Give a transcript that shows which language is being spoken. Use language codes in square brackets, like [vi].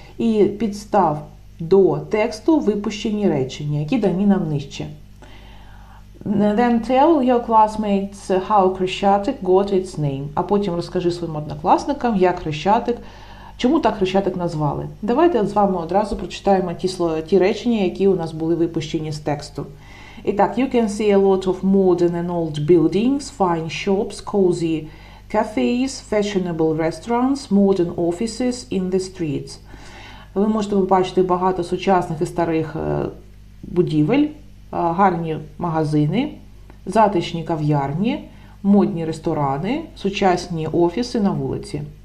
[uk] І підстав до тексту випущені речення, які дані нам нижче. [en] Then tell your classmates how Khrushchev got its name. [uk] А потім розкажи своїм однокласникам, як Хрещатик, чому так Хрещатик назвали. Давайте з вами одразу прочитаємо ті речення, які у нас були випущені з тексту. І так, [en] you can see a lot of modern and old buildings, fine shops, cozy cafes, fashionable restaurants, modern offices in the streets. [uk] Ви можете побачити багато сучасних і старих будівель, гарні магазини, затишні кав'ярні, модні ресторани, сучасні офіси на вулиці.